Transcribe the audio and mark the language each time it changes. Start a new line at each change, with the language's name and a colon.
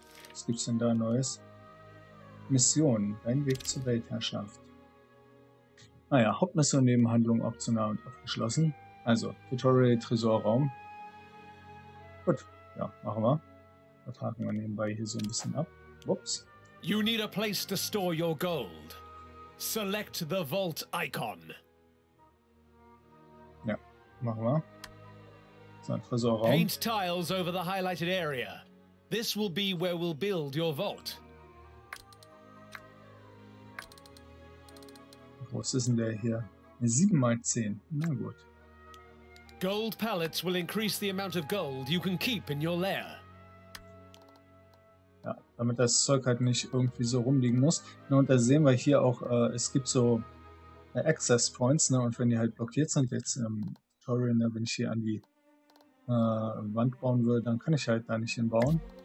German: Was gibt's denn da Neues? Mission. Dein Weg zur Weltherrschaft. Naja, Hauptmission, Nebenhandlung optional und abgeschlossen. Also, Tutorial, Tresorraum. Gut, ja, machen wir. Das haken wir nebenbei hier so ein bisschen ab. Ups.
English: You need a place to store your gold. Select the vault icon.
German: Machen wir. Sein Friseurraum.
English: Paint tiles over the highlighted area. This will be where we'll build your vault.
German: Was ist denn der hier? 7x10. Na gut.
English: Gold pallets will increase the amount of gold you can keep in your lair.
German: Ja, damit das Zeug halt nicht irgendwie so rumliegen muss. Ja, und da sehen wir hier auch, es gibt so Access Points, ne? Und wenn die halt blockiert sind, jetzt im Tutorial, ne, wenn ich hier an die Wand bauen würde, dann kann ich halt da nicht hinbauen.